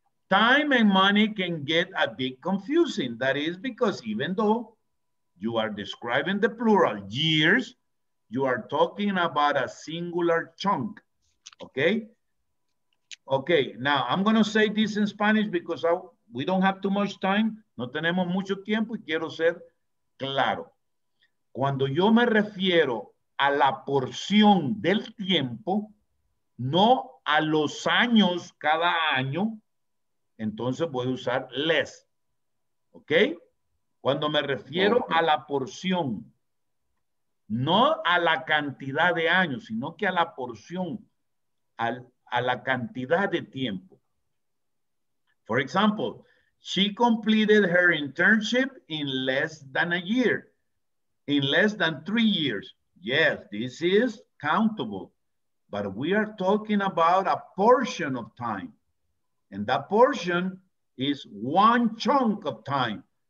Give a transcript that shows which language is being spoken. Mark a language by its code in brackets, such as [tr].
[en] Time and money can get a bit confusing. That is because even though you are describing the plural years, you are talking about a singular chunk, okay? Okay, now I'm gonna say this in Spanish because we don't have too much time. [es] No tenemos mucho tiempo y quiero ser claro. Cuando yo me refiero a la porción del tiempo, no a los años cada año, entonces voy a usar less, ¿ok? Cuando me refiero a la porción, no a la cantidad de años, sino que a la porción, a la cantidad de tiempo. [en] For example, she completed her internship in less than a year, in less than 3 years. Yes, this is countable, but we are talking about a portion of time. And that portion is one chunk of time.